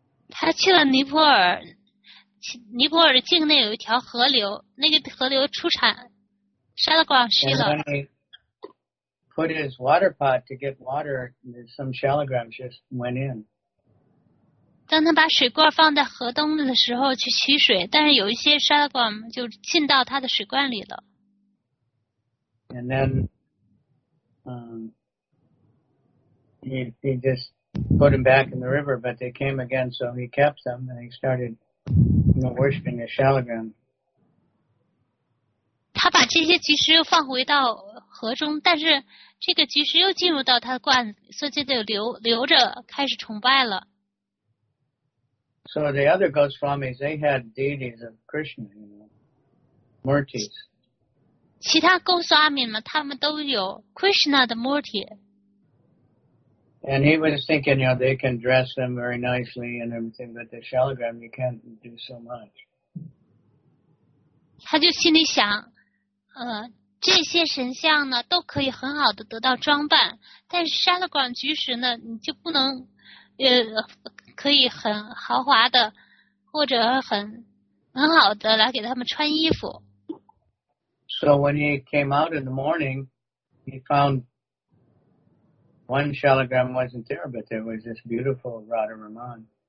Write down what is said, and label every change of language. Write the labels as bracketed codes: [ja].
[zh] 他去了尼泊尔，尼泊尔境内有一条河流，那个河流出产shalagram shield。 [en] And when he put his water pot to get water, some shalagrams just went in. [zh] 当他把水罐放在河东的时候去取水，但是有一些沙拉罐就进到他的水罐里了。 [en] And then, he just put him back in the river, but they came again, so he kept them and he started, you know, worshiping the shalagram. [zh] 他把这些菊石又放回到河中，但是这个菊石又进入到他的罐子，所以就得留着开始崇拜了。 [en] So the other Goswamis, they had deities of Krishna, you know, Murtis. [zh] 其他 Goswami 们他们都有 Krishna 的 Murti. [en] And he was thinking, you know, they can dress them very nicely and everything, but the shalagram, you can't do so much. [zh] 他就心里想，这些神像呢都可以很好的得到装扮，但是 shalagram 菊石呢，你就不能，可以很豪华的或者很好的来给他们穿衣服。 [en] So when he came out in the morning, he found one shalagram wasn't there, but there was this beautiful Radha Raman.